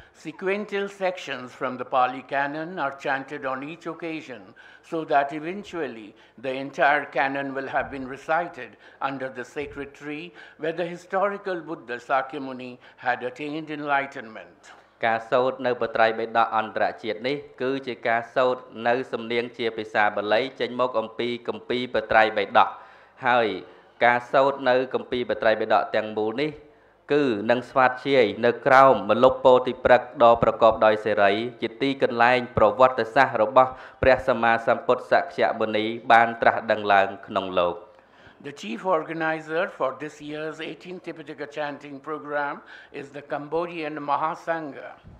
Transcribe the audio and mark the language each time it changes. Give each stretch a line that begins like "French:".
English: Sequential sections from the Pali Canon are chanted on each occasion so that eventually the entire canon will have been recited under the sacred tree where the historical Buddha Sakyamuni had attained enlightenment.
Khmer: ការ សូត្រ នៅ បត្រៃ បិដក អន្តរ ជាតិ នេះ គឺ ជា ការ សូត្រ នៅ សំនៀង ជា ភាសា បាលី ចេញ មក អំពី គម្ពីរ បត្រៃ បិដក ហើយ ការ សូត្រ នៅ គម្ពីរ បត្រៃ បិដក ទាំង មូល នេះ គឺនឹងស្វាតជ័យនៅក្រោមម្លប់ពោធិព្រឹក្សដ៏ប្រកបដោយសេរីជាទីកន្លែងប្រវត្តិសាស្ត្ររបស់ព្រះសម្មាសម្ពុទ្ធសក្យមុនីបានត្រាស់ដឹងឡើងក្នុងលោក.
English: The chief organizer for this year's 18th Tipitaka chanting program is the Cambodian Mahasangha.